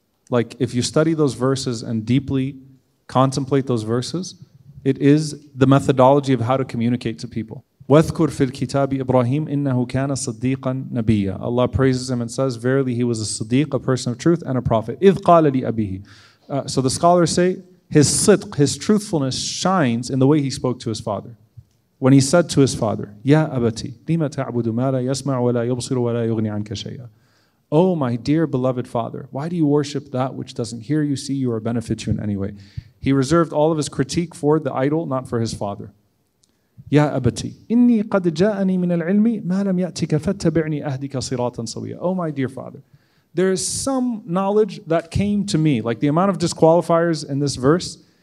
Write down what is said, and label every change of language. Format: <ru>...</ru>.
<en>Like, if you study those verses and deeply contemplate those verses, it is the methodology of how to communicate to people.</en> <ar>وَاذْكُرْ فِي الْكِتَابِ إِبْرَاهِيمِ إِنَّهُ كَانَ صَدِّيقًا نَبِيًّا.</ar> <en>Allah praises him and says, verily he was a siddiq, a person of truth and a prophet.</en> <ar>إِذْ قَالَ لِأَبِيهِ.</ar> <en>So the scholars say, his sidq, his truthfulness shines in the way he spoke to his father. When he said to his father,</en> <ar>يَا أَبَتِي لِمَ تَعْبُدُ مَا لَا يَسْمَعُ وَلَا يُبْصِرُ وَلَا يُغْنِي عَنْكَ شَيْئًا.</ar> <en>Oh my dear beloved father, why do you worship that which doesn't hear you, see you, or benefit you in any way? He reserved all of his critique for the idol, not for his father.</en> <ar>يَا أَبَتِي إِنِّي قَدْ جَاءَنِي مِنَ الْعِلْمِ مَا لَمْ يَأْتِكَ فَاتَّبِعْنِي أَهْدِكَ صِرَاطًا سَوِيًّا.</ar> <en>Oh my dear father, there is some knowledge that came to me, like the amount of disqualifiers in this verse.</en>